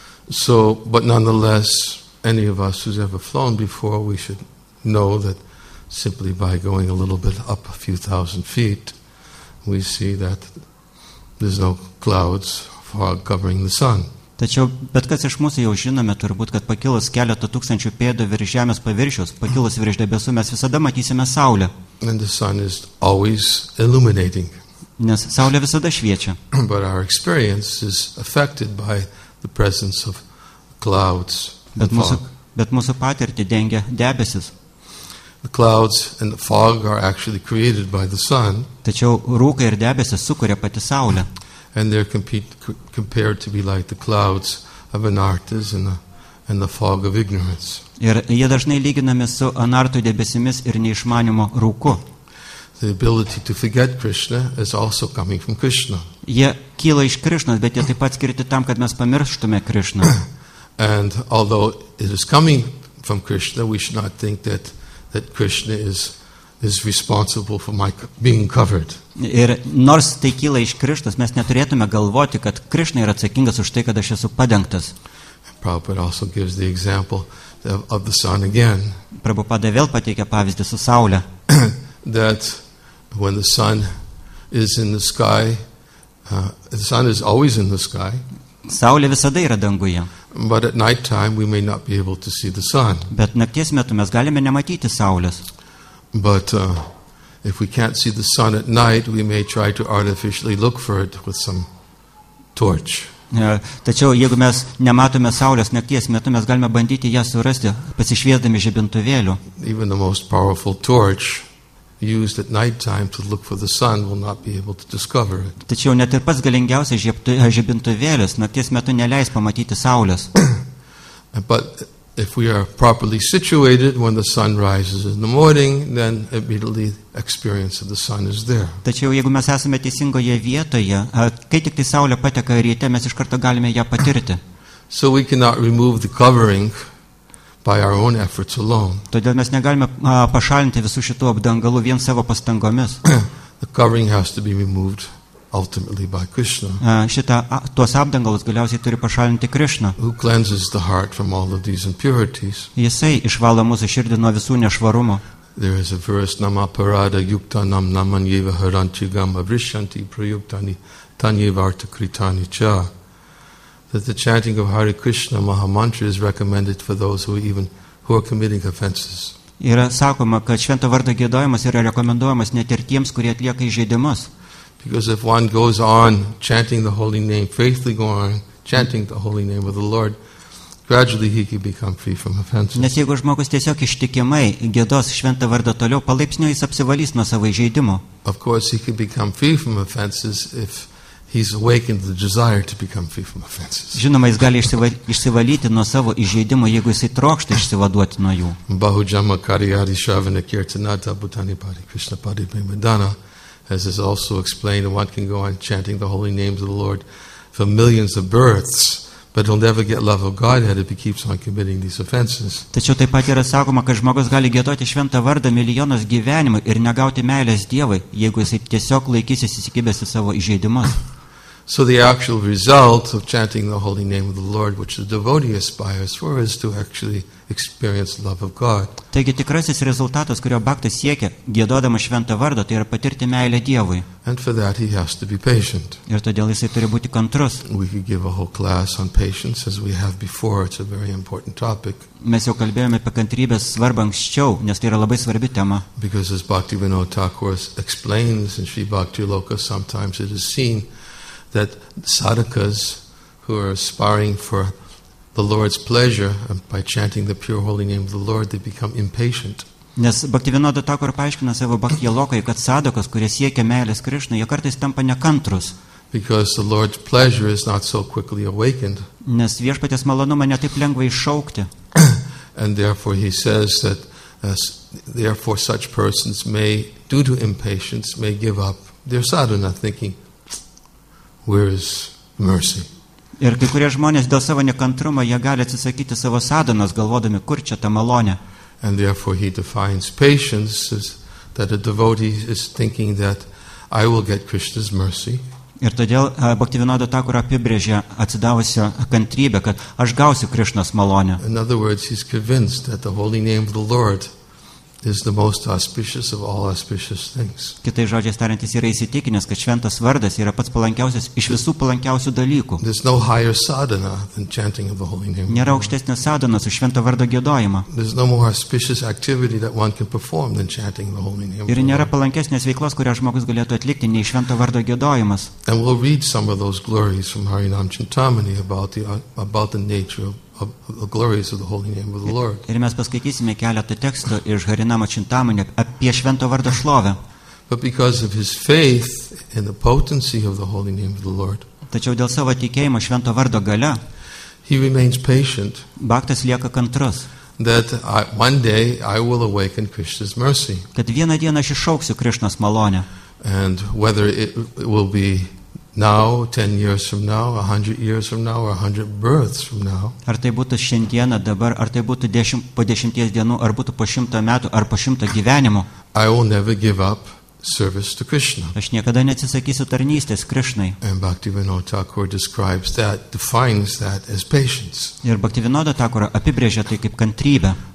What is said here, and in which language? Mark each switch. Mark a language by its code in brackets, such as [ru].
[en] So, but nonetheless, any of us who's ever flown before, we should know that simply by going a little bit up a few thousand feet, we see that there's no clouds fog covering the sun. [lt] Tačiau bet kas iš mūsų jau žinome turbūt, kad pakilus keletą tūkstančių pėdų virš žemės paviršiaus, pakilus virš debesų, mes visada matysime saulę. [en] And the sun is always illuminating. [lt] Nes saulė visada šviečia. [en] But our experience is affected by the presence of clouds and fog. [lt] Bet mūsų patirtį dengia debesis. [en] The clouds and the fog are actually created by the sun. [lt] Tačiau rūkai ir debesis sukuria pati saulė. [en] And they're compared to be like the clouds of anartas and the fog of ignorance. [lt] Ir jie dažnai lyginami su anartų debesimis ir neišmanimo rūku. [en] The ability to forget Krishna is also coming from Krishna. [lt] Jie kyla iš Krishnos, bet jie taip pat skirti tam, kad mes pamirštume Krishna. [en] And although it is coming from Krishna, we should not think that Krishna is responsible for my being covered. [lt] Ir nors tai kyla iš Krishnos, mes neturėtume galvoti, kad Krishna yra atsakingas už tai, kad aš esu padengtas. [en] Prabhupada also gives the example of the sun again. [lt] Prabhupada vėl pateikia pavyzdį su saule. [en] That when the sun is in the sky, the sun is always in the sky. [lt] Saulė visada yra danguje. [en] But at night time we may not be able to see the sun. [lt] Bet nakties metu mes galime nematyti saulės. [en] But if we can't see the sun at night, we may try to artificially look for it with some torch. [lt] Tačiau jeigu mes nematome saulės nakties metu, mes galime bandyti ją surasti pasišviesdami žibintuvėliu. [en] Even the most powerful torch used at night time to look for the sun will not be able to discover it. [lt] Tačiau net ir pats galingiausias žibintuvėlis nakties metu neleis pamatyti saulės. [en] But if we are properly situated when the sun rises in the morning, then immediately experience of the sun is there. [lt] Tačiau jeigu mes esame teisingoje vietoje, kai tik tai saulė pateka ryte, mes iš karto galime ją patirti. [en] So we cannot remove the covering by our own efforts alone. [lt] Todėl mes negalime pašalinti visų šitų apdangalų vien savo pastangomis. [en] The covering has to be removed ultimately by Krishna. [lt] Tuos apdangalus galiausiai turi pašalinti Krishna. [en] Who cleanses the heart from all of these impurities? [lt] Jisai išvalo mūsų širdį nuo visų nešvarumo. [en] There is a verse, [sa] nama parada yukta nam naman yeva haranti gama vrishanti prayuktani tanyevarta kritani cha. [en] That the chanting of Hare Krishna Maha Mantra is recommended for those who are committing offenses. [lt] Yra sakoma, kad švento vardo giedojimas yra rekomenduojamas net ir tiems, kurie atlieka įžeidimus. [en] Because if one goes on chanting the holy name, faithfully go on chanting the holy name of the Lord, gradually he can become free from offenses. [lt] Nes jeigu žmogus tiesiog ištikimai giedos švento vardo toliau, palaipsniui jis apsivalys nuo savo įžeidimo. [en] Of course he can become free from offenses if he's awakened the desire to become free from offenses. [lt] Žinoma, jis gali išsivalyti nuo savo įžeidimo, jeigu jisai trokšta išsivaduoti nuo jų. [sa] Bahujama kariyari shravana kirtanata bhutani pari krishna pari primadana. [en] As is also explained, one can go on chanting the holy names of the Lord for millions of births, but he'll never get love of Godhead if he keeps on committing these offenses. [lt] Tačiau taip pat yra sakoma, kad žmogus gali giedoti šventą vardą milijonus gyvenimų ir negauti meilės Dievui, jeigu jis tiesiog laikysis įsikibęs į savo įžeidimus. [en] So the actual result of chanting the holy name of the Lord, which the devotee aspires for, is to actually experience love of God. [lt] Taigi tikrasis rezultatas, kurio baktas siekia, giedodamas šventą vardą, tai yra patirti meilę Dievui. [en] And for that he has to be patient. [lt] Ir todėl jisai turi būti kantrus. [en] We could give a whole class on patience, as we have before. It's a very important topic. [lt] Mes jau kalbėjome apie kantrybės svarbą anksčiau, nes tai yra labai svarbi tema. [en] Because as Bhaktivinoda Thakur explains in Sri Bhakti Loka, sometimes it is seen that sadhakas who are aspiring for the Lord's pleasure by chanting the pure holy name of the Lord, they become impatient. [lt] Nes Bhaktivinoda Thakur paaiškina savo Bhakti Lokai, kad sadhakas, kurie siekia meilės Krishna, jie kartais tampa nekantrus. [en] Because the Lord's pleasure is not so quickly awakened. [lt] Nes viešpatės malonumą ne taip lengva iššaukti. [en] And therefore he says that therefore such persons may, due to impatience, may give up their sadhana, thinking, where is mercy? [lt] Ir kai kurie žmonės dėl savo nekantrumo, jie gali atsisakyti savo sadanos, galvodami, kur čia ta malonė. [en] And therefore he defines patience as that a devotee is thinking that I will get Krishna's mercy. [lt] Ir todėl Bhaktivinoda Thakur apibrėžė atsidavusio kantrybę, kad aš gausiu Krishnos malonę. [en] In other words, he's convinced that the holy name of the Lord is the most auspicious of all auspicious things. [lt] Kitai žodžiai tariantis yra įsitikinęs, kad šventas vardas yra pats palankiausias iš visų palankiausių dalykų. [en] There's no higher sadhana than chanting of the holy name. [lt] Nėra aukštesnio sadhanos už švento vardo giedojimą. [en] There's no more auspicious activity that one can perform than chanting the holy name. [lt] Ir nėra palankesnės veiklos, kurią žmogus galėtų atlikti, nei švento vardo giedojimas. [en] And we'll read some of those glories from Harinam Chintamani about the nature of the glories of the holy name of the Lord. [lt] Ir mes paskaitysime keletą tekstų iš Harinamo Čintamani apie švento vardo šlovę. [en] But because of his faith in the potency of the holy name of the Lord. [lt] Tačiau dėl savo tikėjimo švento vardo galia. [en] He remains patient. [lt] Baktas lieka kantrus. [en] That one day I will awaken Krishna's mercy. [lt] Kad vieną dieną aš iššauksiu Krishnos malonę. [en] And whether it will be now, 10 years from now, 100 years from now, or 100 births from now. [lt] Ar tai būtų šiandieną, dabar, ar tai būtų po 10 dienų, ar būtų po 100 metų, ar po 100 gyvenimų. [en] I will never give up service to Krishna. [lt] Aš niekada neatsisakysiu tarnystės Krishnai. [en] And Bhaktivinoda Thakur describes that, defines that as patience. [lt] Ir Bhaktivinoda Thakur apibrėžia tai kaip kantrybę.